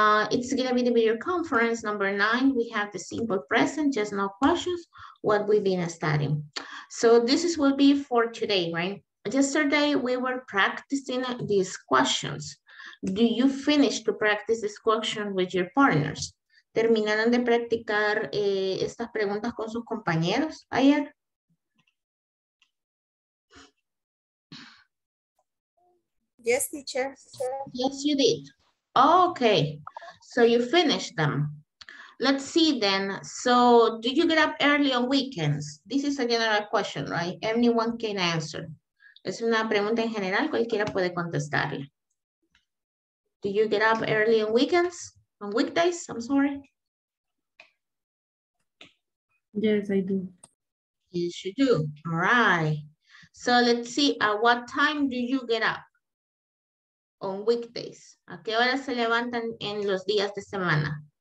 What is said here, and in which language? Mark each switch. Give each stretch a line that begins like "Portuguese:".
English: It's gonna be the video conference number 9. We have the simple present, just no questions, what we've been studying. So this is will be for today, right? Yesterday, we were practicing these questions. Do you finish to practice this question with your partners?
Spanish: ¿Terminaron de practicar estas preguntas con sus compañeros ayer?
English: Yes, teacher. Yes, you did. Okay, so you finished them. Let's see then. So do you get up early on weekends? This is a general question, right? Anyone can answer.
Spanish: Es una pregunta en general, cualquiera puede contestarla.
English: Do you get up early on weekends? On weekdays, I'm sorry. Yes, I do. Yes, you do. All right. So let's see, at what time do you get up? On weekdays.
Spanish: ¿A qué hora se levantan en los días de semana?